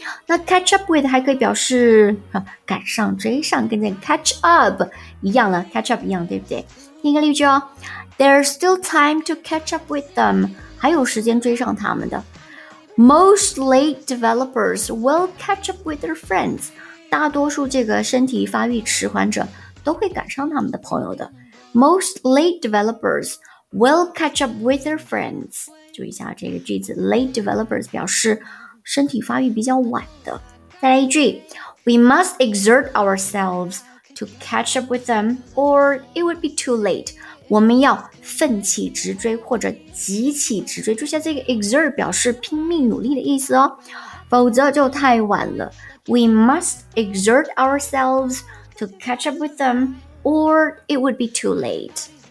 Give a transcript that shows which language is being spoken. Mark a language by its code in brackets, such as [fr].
[zh] 那 catch up with 还可以表示赶上、追上，跟那 catch up 一样了 ，catch up 一样，对不对？听个例句哦。 [en] There's still time to catch up with them. [zh] 还有时间追上他们的。 [en] Most late developers will catch up with their friends. [zh] 大多数这个身体发育迟缓者都会赶上他们的朋友的。 [en] Most late developers will catch up with their friends. [zh] 注意一下这个句子 ,late developers 表示身体发育比较晚的。再来一句 [en] ,We must exert ourselves to catch up with them or it would be too late. [zh] 我们要奋起直追或者急起直追，注意下这个 exert 表示拼命努力的意思哦，否则就太晚了。 [en] We must exert ourselves to catch up with them, or it would be too late.